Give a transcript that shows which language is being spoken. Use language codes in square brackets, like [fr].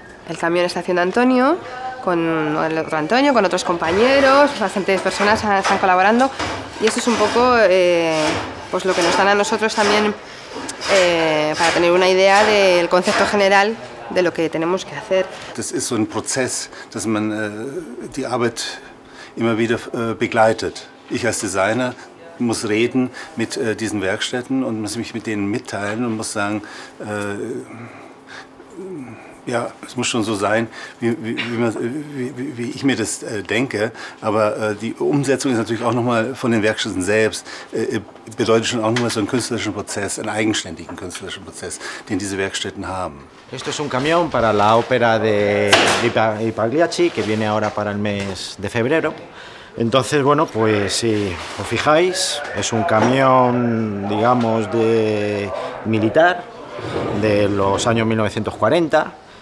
[es] El camión está haciendo Antonio, con el otro Antonio, con otros compañeros, bastantes personas están colaborando y eso es un poco pues lo que nos dan a nosotros también. Para tener una idea del concepto general de lo que tenemos que hacer. [de] Das ist so ein Prozess, dass man die Arbeit immer wieder begleitet. Ich als Designer muss reden mit diesen Werkstätten und muss mich mit denen mitteilen und muss sagen, ja, es muss schon so sein, wie ich mir das denke. Aber die Umsetzung ist natürlich auch nochmal von den Werkstätten selbst, bedeutet schon auch nochmal so einen künstlerischen Prozess, einen eigenständigen künstlerischen Prozess, den diese Werkstätten haben. [es] Esto es un camión para la ópera de Pagliacci, que viene ahora para el mes de febrero. Entonces, bueno, pues si os fijáis, es un camión, digamos, de militar, de los años 1940.